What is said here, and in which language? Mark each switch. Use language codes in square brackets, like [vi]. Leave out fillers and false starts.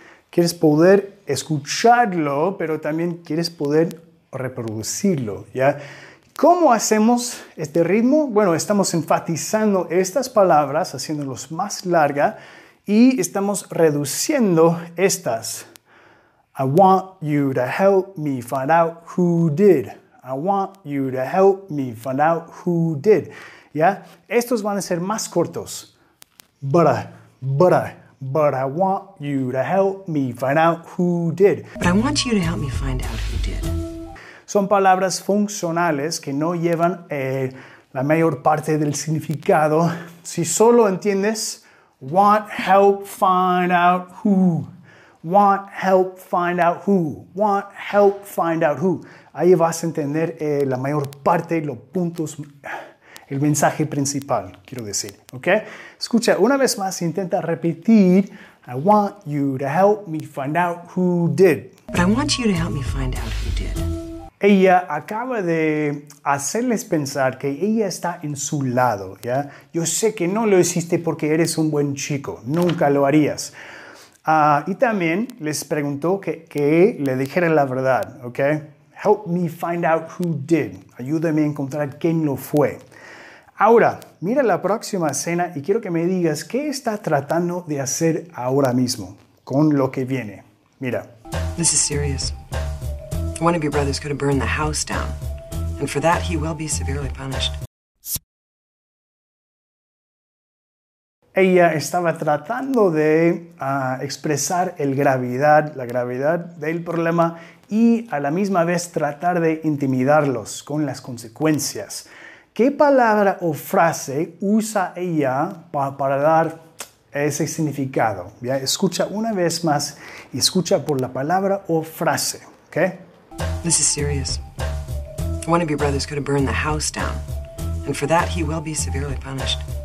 [es] ¿Quieres poder escucharlo, pero también quieres poder reproducirlo, ¿ya? ¿Cómo hacemos este ritmo? Bueno, estamos enfatizando estas palabras, haciéndolos más larga, y estamos reduciendo estas. [en] I want you to help me find out who did. I want you to help me find out who did. ¿Ya? [es] Estos van a ser más cortos. [en] But I want you to help me find out who did. But I want you to help me find out who did. [es] Son palabras funcionales que no llevan la mayor parte del significado. Si solo entiendes, [en] want help find out who. Want help find out who. Want help find out who. [es] Ahí vas a entender la mayor parte, los puntos, el mensaje principal, quiero decir. ¿Ok? Escucha, una vez más, intenta repetir. [en] I want you to help me find out who did. But I want you to help me find out who did. [es] Ella acaba de hacerles pensar que ella está en su lado, ¿ya? Yo sé que no lo hiciste porque eres un buen chico. Nunca lo harías. Y también les preguntó que le dijera la verdad, ¿ok? [en] Help me find out who did. [es] Ayúdame a encontrar quién lo fue. Ahora, mira la próxima escena y quiero que me digas qué está tratando de hacer ahora mismo con lo que viene. Mira. [en] This is serious. One of your brothers could have burned the house down. And for that, he will be severely punished. [es] Ella estaba tratando de expresar la gravedad del problema y a la misma vez tratar de intimidarlos con las consecuencias. ¿Qué palabra o frase usa ella para dar ese significado? ¿Ya? Escucha una vez más y escucha por la palabra o frase. ¿Okay? [en] This is serious. One of your brothers could have burned the house down. And for that, he will be severely punished.